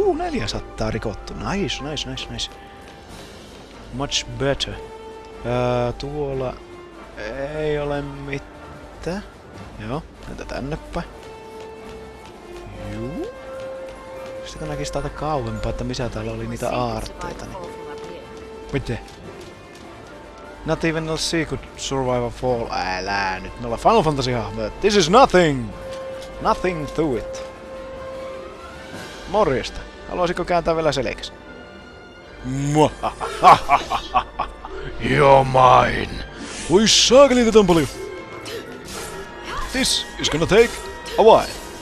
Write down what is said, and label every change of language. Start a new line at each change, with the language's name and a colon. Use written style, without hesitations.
Finnish: 400 rikottu,
English: nice. Much better.
Finnish: Tuolla ei ole mitään. Joo, entä tänne päin? Juu. Sitten näkisi täältä kauempaa, että missä täällä oli niitä aarteita. Miten?
English: Not even a sea could survive a fall.
Finnish: Älä nyt, me ollaan Final Fantasy-hahmoja.
English: This is nothing! Nothing to it.
Finnish: Morjesta. Haluaisitko kääntää vielä selkäsi?
English: Muahahahahahaha. You're mine.
Finnish: Voi saakeli, tätä on paljon.
English: This is gonna take a while.